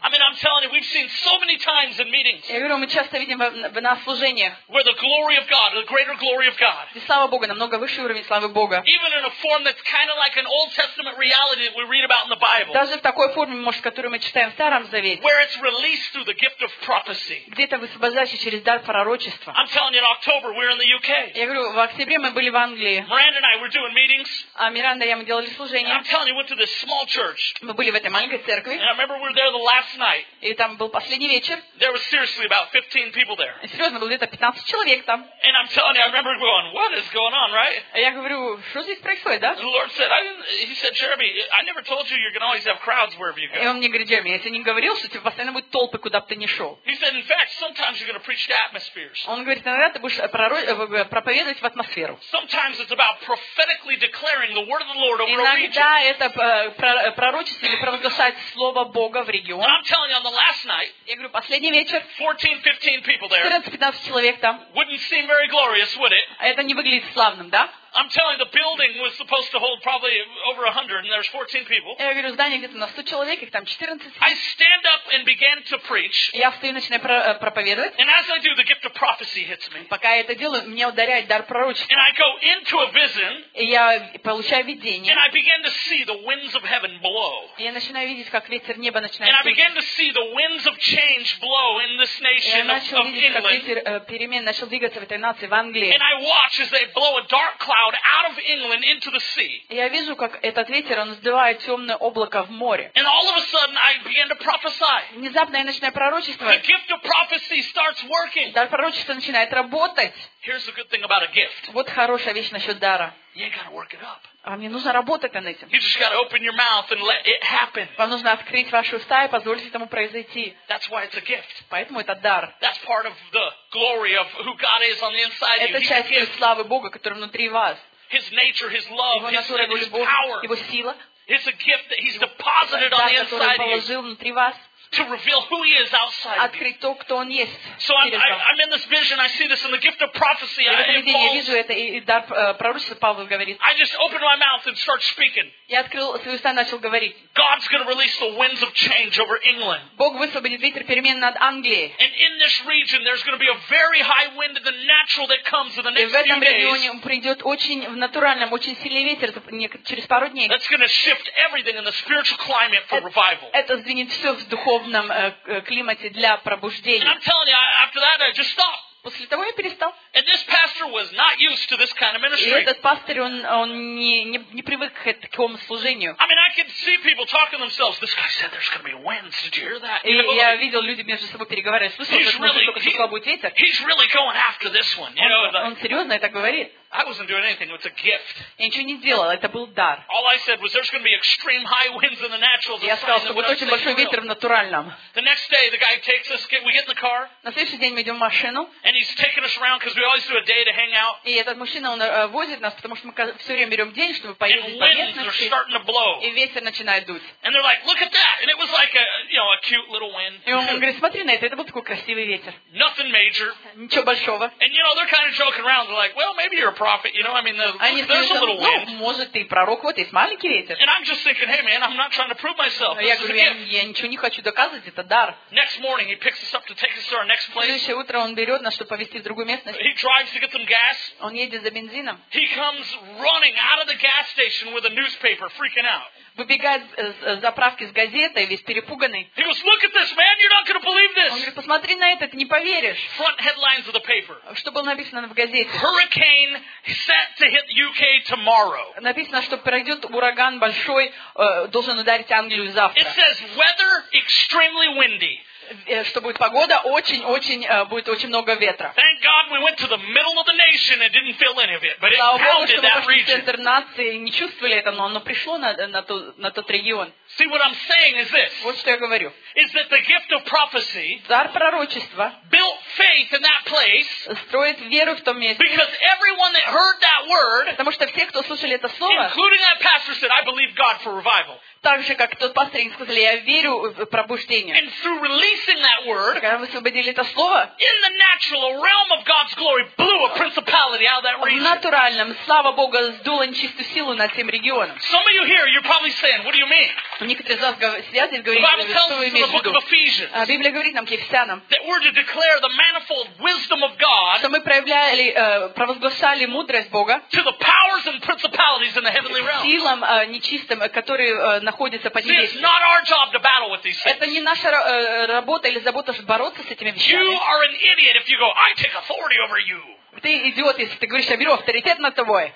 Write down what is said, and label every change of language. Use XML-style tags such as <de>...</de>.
<en>I mean, I'm telling you, we've seen so many times in meetings.</en> <ru>Я говорю, мы часто видим в наших служениях.</ru> <en>Where the glory of God, the greater glory of God.</en> <ru>Слава Богу, намного выше уровень славы Бога.</ru> <en>Even in a form that's kind of like an Old Testament reality that we read about in the Bible.</en> <ru>Даже в такой форме, может, которую мы читаем в Старом Завете.</ru> <en>Where it's released through the gift of prophecy.</en> <ru>Где-то высвобождающий через дар пророчества.</ru> <en>I'm telling you, in October we're in the UK.</en> <ru>Я говорю, в октябре мы были в Англии.</ru> <en>Miranda and I were doing meetings.</en> <ru>А Миранда и я мы делали служение.</ru> <en>I'm telling you, we went to this small church.</en> <ru>Мы были в этой маленькой церкви.</ru> <en>And I remember we were there the last night.</en> <ru>И там был последний вечер.</ru> <en>There was seriously about 15 people there.</en> <ru>И серьезно, было где-то 15 человек там.</ru> <en>And I'm telling you, I remember. Going, what is going on, right?</en> <ru>Я говорю, что здесь происходит, да?</ru> <en>The Lord said, He said, Jeremy, I never told you you're going to always have crowds wherever you go.</en> <ru>И он мне говорит, Джереми, я тебе не говорил, что у тебя постоянно будут толпы, куда бы ты ни шел.</ru> <en>He said, in fact, sometimes you're going to preach to atmospheres.</en> <ru>Он говорит, иногда ты будешь проповедовать в атмосферу.</ru> <en>Sometimes it's about prophetically declaring the word of the Lord over a region.</en> <ru>Иногда это пророчество или провозглашать слово Бога в регион.</ru> <en>And I'm telling you, on the last night,</en> <ru>я говорю, последний вечер,</ru> <en>14-15 people there,</en> <ru>14-15 человек там,</ru> <en>wouldn't seem very glorious, would it?</en> <ru>Это не выглядит славным, да?</ru> <en>I'm telling you, the building was supposed to hold probably over 100, and there's 14 people.</en> <ru>Я говорю, здание где-то на 100 человек, их там 14.</ru> <en>I stand up and began to preach.</en> <ru>Я встаю и начинаю проповедовать.</ru> <en>And as I do, the gift of prophecy hits me.</en> <ru>Пока я это делаю, мне ударяет дар пророчества.</ru> <en>And I go into a vision.</en> <ru>И я получаю видение.</ru> <en>And I begin to see the winds of heaven blow.</en> <ru>Я начинаю видеть, как ветер неба начинает.</ru> <en>And I begin to see the winds of change blow in this nation of England.</en> <ru>Я начал видеть, как ветер перемен начал двигаться в этой нации в Англии.</ru> <en>And I watch as they blow a dark cloud. Out of England into the sea.</en> <ru>Я вижу, как этот ветер он сдувает темное облако в море.</ru> <en>And all of a sudden, I began to prophesy.</en> <ru>Внезапно я начинаю пророчествовать.</ru> <en>The gift of prophecy starts working.</en> <ru>Дар пророчества начинает работать.</ru> <en>Here's the good thing about a gift.</en> <ru>Вот хорошая вещь насчет дара.</ru> <en>You gotta work it up.</en> <ru>А мне нужно работать над этим.</ru> <en>You just gotta open your mouth and let it happen.</en> <ru>Вам нужно открыть ваши уста и позволить этому произойти.</ru> <en>That's why it's a gift.</en> <ru>Поэтому это дар.</ru> <en>That's part of the glory of who God is on the inside of you.</en> <ru>Это часть славы Бога, которая внутри вас.</ru> <en>His nature, His love, His power.</en> <ru>Его сила.</ru> <en>It's a gift that He's deposited on the inside of you.</en> <ru>Дар, который Он положил внутри вас.</ru> <en>to reveal who he is outside of you. So I'm in this vision, I see this, and the gift of prophecy involves. I just open my mouth and start speaking.</en> <ru>Я открыл свои уста и начал говорить.</ru> <en>God's going to release the winds of change over England.</en> <ru>Бог высвободит ветер перемен над Англией.</ru> <en>And in this region, there's going to be a very high wind of the natural that comes in the next few days.</en> <ru>И в этом регионе придет очень в натуральном, очень сильный ветер через пару дней.</ru> <en>That's going to shift everything in the spiritual climate for revival.</en> <ru>Это сдвинет все в духовном климате для пробуждения.</ru> <en>And I'm telling you, after that, I just stopped.</en> <ru>После того я перестал.</ru> <en>And this pastor was not used to this kind of ministry.</en> <ru>И этот пастор, он не привык к такому служению.</ru> <en>I mean, I could see people talking themselves. This guy said there's going to be winds. Did you hear that?</en> <ru>И я видел люди между собой переговаривая. Слышал, что только сухой будет ветер.</ru> <en>He's really going after this one. You know,</en> <ru>он серьезно это говорит.</ru> <en>I wasn't doing anything. It's a gift.</en> <ru>Я ничего не делал. Это был дар.</ru> <en>All I said was there's going to be extreme high winds in the natural.</en> <ru>Я сказал, что будет очень большой ветер в натуральном.</ru> <en>The next day, the guy takes us. We get in the car.</en> <ru>На следующий день мы идем в машину.</ru> <en>And he's taking us around because we always do a day to hang out.</en> <ru>И этот мужчина он возит нас, потому что мы все время берем день, чтобы поездить по местности.</ru> <en>And winds are starting to blow.</en> <ru>И ветер начинает дуть.</ru> <en>And they're like, look at that. And it was like a, you know, a cute little wind.</en> <ru>И он говорит, смотри на это. Это был такой красивый ветер.</ru> <en>Nothing major.</en> <ru>Ничего большого.</ru> <en>And you know, they're kind of joking around. They're like, well, maybe you're a prophet. You know, I mean, there's a little wind.</en> <ru>Ну, может, ты пророк, вот есть маленький ветер.</ru> <en>And I'm just thinking, hey, man, I'm not trying to prove myself.</en> <ru>Я говорю, я ничего не хочу доказывать, это дар.</ru> <en>Next morning, he picks us up to take us to our next place.</en> <ru>Следующее утро он берет нас, чтобы повезти в другую местность.</ru> <en>He drives to get some gas.</en> <ru>Он едет за бензином.</ru> <en>He comes running out of the gas station with a newspaper, freaking out.</en> <ru>Выбегает с заправки с газетой, весь перепуганный.</ru> <en>He goes, look at this, man, you're not going to believe this.</en> <ru>Он говорит, посмотри на это, ты не поверишь.</ru> <en>Front headlines of the paper.</en> <ru>Что было написано в газете?</ru> <en>Hurricane set to hit UK tomorrow.</en> <ru>Написано, что пройдет ураган большой, должен ударить Англию завтра.</ru> <en>It says weather extremely windy.</en> <ru>Что будет погода, очень-очень будет очень много ветра.</ru> <en>Thank God we went to the middle of the nation and didn't feel any of it, but it pounded that region.</en> <ru>Центр нации не чувствовали это, но оно пришло на тот регион.</ru> <en>See, what I'm saying is this.</en> <ru>Вот что я говорю.</ru> <en>Is that the gift of prophecy</en> <ru>дар пророчества</ru> <en>built faith in that place</en> <ru>строит веру в том месте.</ru> <en>Because everyone that heard that word,</en> <ru>потому что все, кто слышали это слово,</ru> <en>including that pastor said, I believe God for revival.</en> <ru>Так же, как тот пастор, они сказали, я верю в пробуждение.</ru> <en>And through releasing that word,</en> <ru>когда вы освободили это слово,</ru> <en>in the natural realm of God's glory blew a principality out of that region.</en> <ru>В натуральном, слава Богу, сдуло нечистую силу над тем регионом.</ru> <en>Some of you here, you're probably saying, what do you mean?</en> <ru>Некоторые из вас сидят и говорят, что вы имеете в виду. Библия говорит нам, к Ефесянам, что мы проявляли, провозглашали мудрость Бога</ru> <en>to the powers and principalities in the heavenly realm.</en> <ru>Силам нечистым, которые находятся под небесами.</ru> <en>See, it's not our job to battle with these things.</en> <ru>Это не наша работа или забота бороться с этими вещами.</ru> <en>You are an idiot if you go, I take authority over you.</en> <ru>Ты идиот, если ты говоришь, я беру авторитет над тобой.</ru>